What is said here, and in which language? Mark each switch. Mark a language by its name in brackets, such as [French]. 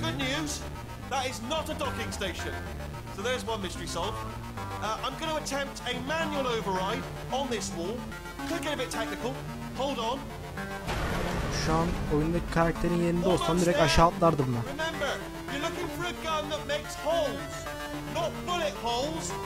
[English] Good news, that is not a docking station. So there's one mystery solved. I'm going to attempt a manual override on this wall. Could get a bit technical. Hold on. [Turkish] Şu an oyundaki karakterin yerinde olsam direkt aşağı atlardım ben. [English] Remember, you're looking for a gun that makes holes, not bullet holes.